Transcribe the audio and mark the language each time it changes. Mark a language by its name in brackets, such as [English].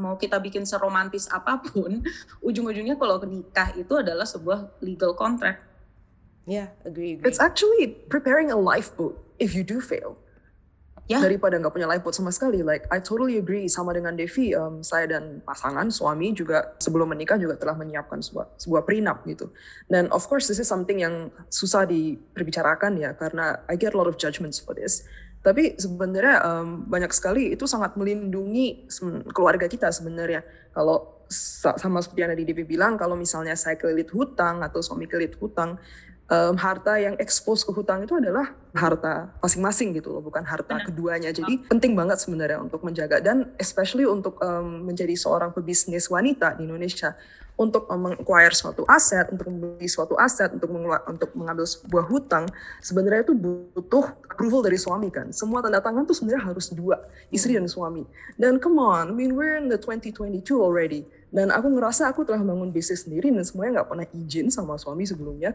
[Indonesian] Mau kita bikin seromantis apapun, ujung-ujungnya kalau nikah itu adalah sebuah legal contract. [English] Yeah, agree. It's actually preparing a lifeboat if you do fail. Yeah. [Indonesian] Daripada nggak punya lifeboat sama sekali, [English] like I totally agree [Indonesian] sama dengan Devi. Saya dan pasangan suami juga sebelum menikah juga telah menyiapkan sebuah prenup gitu. Dan [English] of course this is something [Indonesian] yang susah diperbicarakan ya, karena [English] I get a lot of judgments for this. [Indonesian] Tapi sebenarnya banyak sekali itu sangat melindungi keluarga kita sebenarnya. Kalau sama seperti yang tadi Devi bilang, kalau misalnya saya kelilit hutang atau suami kelilit hutang, harta yang ekspos ke hutang itu adalah harta masing-masing gitu loh, bukan harta keduanya. Jadi penting banget sebenarnya untuk menjaga, dan [English] especially [Indonesian] untuk menjadi seorang pebisnis wanita di Indonesia, untuk meng-acquire suatu aset, untuk membeli suatu aset, untuk mengambil sebuah hutang, sebenarnya itu butuh approval dari suami kan. Semua tanda tangan tuh sebenarnya harus dua, istri dan suami. Dan [English] come on, I mean we're in the 2022 already. [Indonesian] Dan aku ngerasa aku telah membangun bisnis sendiri dan semuanya nggak pernah izin sama suami sebelumnya.